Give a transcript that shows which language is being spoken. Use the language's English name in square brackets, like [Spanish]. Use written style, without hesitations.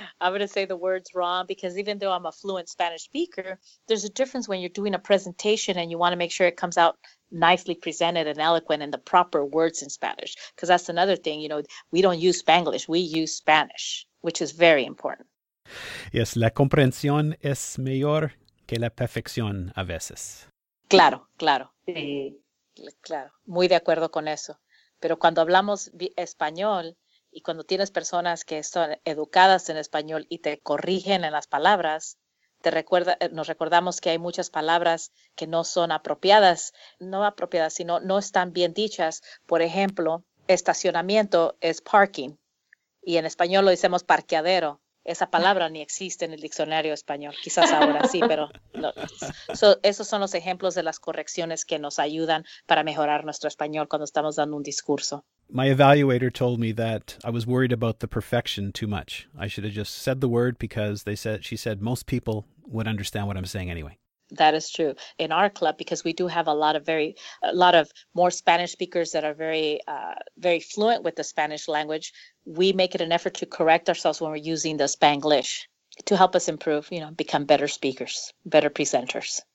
[English] I'm going to say the words wrong. Because even though I'm a fluent Spanish speaker, there's a difference when you're doing a presentation and you want to make sure it comes out nicely presented and eloquent and the proper words in Spanish. Because that's another thing, you know, we don't use Spanglish. We use Spanish, which is very important. [Spanish] Yes, la comprensión es mejor que la perfección a veces. Claro, claro. Sí. Claro, muy de acuerdo con eso. Pero cuando hablamos español y cuando tienes personas que son educadas en español y te corrigen en las palabras, nos recordamos que hay muchas palabras que no son apropiadas, sino no están bien dichas. Por ejemplo, estacionamiento es parking. Y en español lo decimos parqueadero. Esa palabra ni existe en el diccionario español. Quizás ahora sí, pero no. So, esos son los ejemplos de las correcciones que nos ayudan para mejorar nuestro español cuando estamos dando un discurso. [English] My evaluator told me that I was worried about the perfection too much. I should have just said the word because she said most people would understand what I'm saying anyway. That is true. In our club, because we do have a lot of more Spanish speakers that are very, very fluent with the Spanish language, we make it an effort to correct ourselves when we're using the Spanglish to help us improve, you know, become better speakers, better presenters.